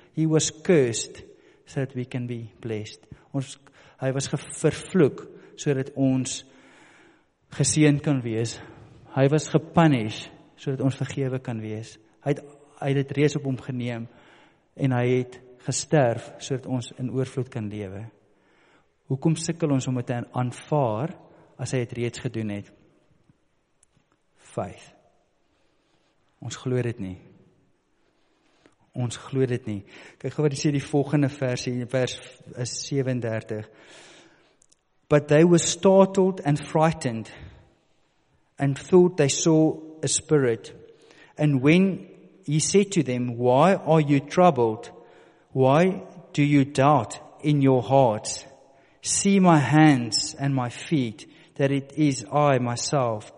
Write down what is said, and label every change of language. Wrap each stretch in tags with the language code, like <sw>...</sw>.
<en>He was cursed, so that we can be blessed.</en> <af>Hy was vervloek, so dat ons geseën kan wees. Hy was gepunished, so dat ons vergewe kan wees. Hy het dit reeds op hom geneem en hy het gesterf sodat ons in oorvloed kan lewe. Hoekom sukkel ons om dit te aanvaar as hy het reeds gedoen het? 5. Ons glo dit nie. Ons glo dit nie. Kyk gou wat hy sê die volgende versie, vers 37.</af> <en>But they were startled and frightened and thought they saw a spirit. And when He said to them, why are you troubled? Why do you doubt in your hearts? See my hands and my feet, that it is I myself.</en>